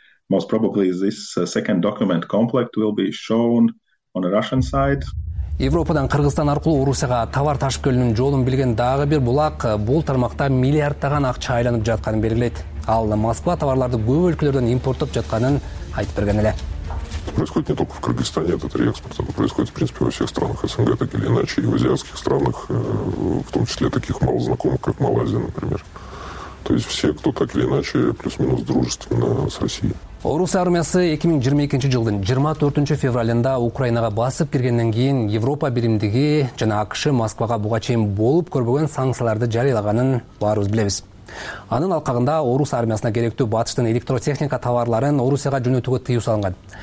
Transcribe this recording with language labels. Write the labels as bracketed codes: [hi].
[en] Most probably this second document complex will be shown on the Russian side. [ky] Европадан Кыргызстан аркылуу Орусияга товар ташып келүүнүн жолун билген дагы бир булак бул тармакта миллиарддаган акча айланып жатканын белгилейт. Ал Москва товарларды көп өлкөлөрдөн импорттоп жатканын айтып берген эле. [ru] Происходит не только в Кыргызстане этот реэкспорт, это происходит, в принципе, во всех странах СНГ, так или иначе, и в азиатских странах, в том числе таких малознакомых, как Малайзия, например. То есть все, кто так или иначе, плюс-минус дружественно с Россией. [ky] Орус армиясы 2022 жылдын 24 февралында Украинага басып киргенден кийин Европа биримдиги жана АКШ Москвага буга чейин болуп көрбөгөн санкцияларды жарыялаганын баарыбыз билебиз. Анын алкагында Орус армиясына керектүү батыштын электротехника товарларын Орусияга жөнөтүүгө тыюу салынган.